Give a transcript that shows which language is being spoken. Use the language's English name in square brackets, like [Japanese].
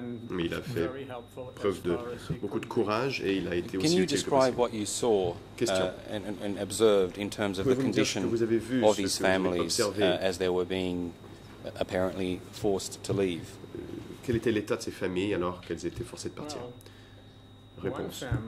[French] Mais il a fait preuve de beaucoup de courage et il a été aussi utile. [English] Can you describe what you saw and observed in terms of the condition of these families as they were being apparently forced to leave? [French] Quel était l'état de ces familles alors qu'elles étaient forcées de partir? Réponse.